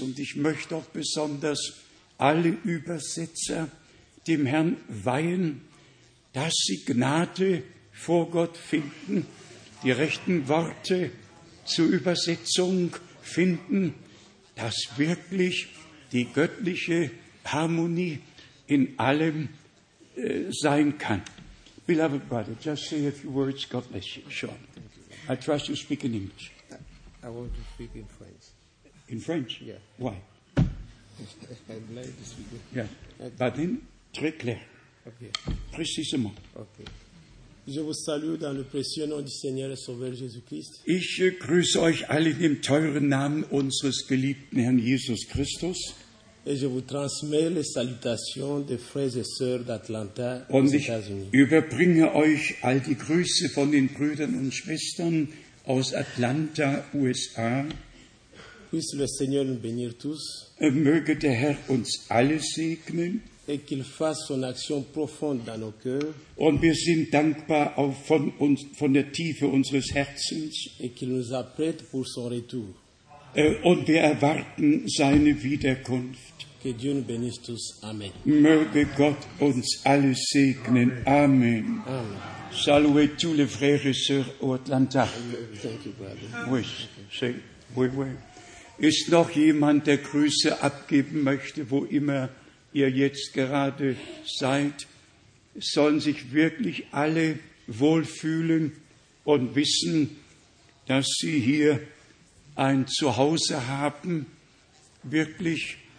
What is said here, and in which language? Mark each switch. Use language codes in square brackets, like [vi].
[de] Und ich möchte auch besonders alle Übersetzer dem Herrn weihen, dass sie Gnade vor Gott finden, die rechten Worte zur Übersetzung finden, dass wirklich die göttliche Harmonie in allem sein kann. [en] Beloved brother, just say a few words. God bless you. Sean, I trust you speak in English. I want to speak in French. In French? Yeah. Why? I'd like to speak in French. Yeah. But then, [fr] très clair. [en] Okay. [fr] Précisément. [en] Okay. [fr] Je vous salue dans le précieux nom du Seigneur et Sauveur Jésus-Christ. [de] Ich grüße euch alle im teuren Namen unseres geliebten Herrn Jesus Christus. [fr] Et je vous transmets les salutations des frères et sœurs d'Atlanta, aux États-Unis. [de] Und ich überbringe euch all die Grüße von den Brüdern und Schwestern aus Atlanta, USA. [fr] Puisse le Seigneur nous bénir tous. [de] Möge der Herr uns alle segnen. [fr] Et qu'il fasse son action profonde dans nos cœurs. [de] Und wir sind dankbar auch von uns, von der Tiefe unseres Herzens. [fr] Et qu'il nous apprête pour son retour. [de] Und wir erwarten seine Wiederkunft. [fr] Que Dieu nous bénisse tous. Amen. [de] Möge Gott uns alle segnen. Amen. Amen. [fr] Salue tous les frères et sœurs au Atlanta. [en] Thank you, brother. [fr] Oui, c'est, oui, oui. [de] Ist noch jemand, der Grüße abgeben möchte, wo immer ihr jetzt gerade seid? Sollen sich wirklich alle wohlfühlen und wissen, dass sie hier ein Zuhause haben? Wirklich?